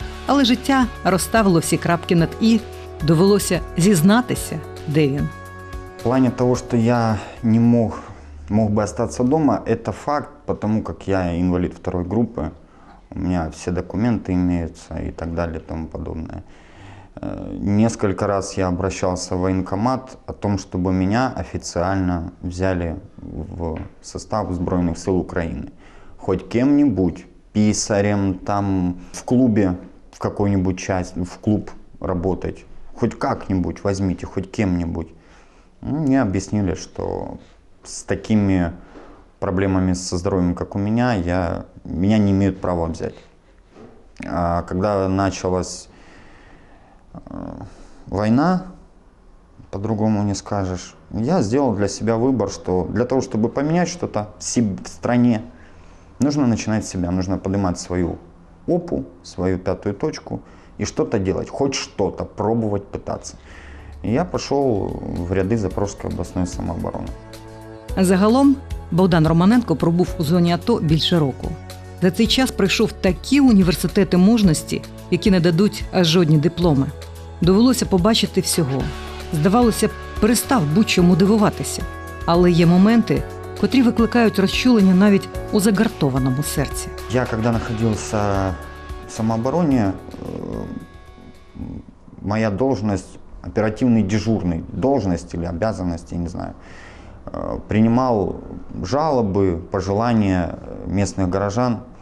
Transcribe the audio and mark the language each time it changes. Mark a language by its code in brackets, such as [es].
[uk] Але життя розставило всі крапки над «і», довелося зізнатися, де він. В плані того, що я не мог би залишитися вдома, це факт, тому як я інвалід второї групи, у мене всі документи маються і так далі, і тому подобне. [ru] Несколько раз я обращался в военкомат о том, чтобы меня официально взяли в состав Збройних сил Украины. Хоть кем-нибудь, писарем, там, в клубе, в какую-нибудь часть, в клуб работать. Хоть как-нибудь возьмите, хоть кем-нибудь. Мне объяснили, что с такими проблемами со здоровьем, как у меня, меня не имеют права взять. А когда началось... война, по-другому не скажешь. Я сделал для себя выбор, что для того, чтобы поменять что-то в стране, нужно начинать с себя, нужно поднимать свою опу, свою пятую точку и что-то делать, хоть что-то, пробовать, пытаться. И я пошел в ряды Запорожской областной самообороны. [uk] Загалом Богдан Романенко пробув у зоні АТО більше року. За цей час пройшов такі університети мужності, які не дадуть аж жодні дипломи. Довелося побачити всього. Здавалося, перестав будь-чому дивуватися. Але є моменти, котрі викликають розчулення навіть у загартованому серці. [ru] Я, [uk] коли знаходився в самообороні, [ru] моя должность, [uk] оперативний [ru] дежурний, должность или обязанность, я не знаю, принимал жалобы, пожелания местных горожан.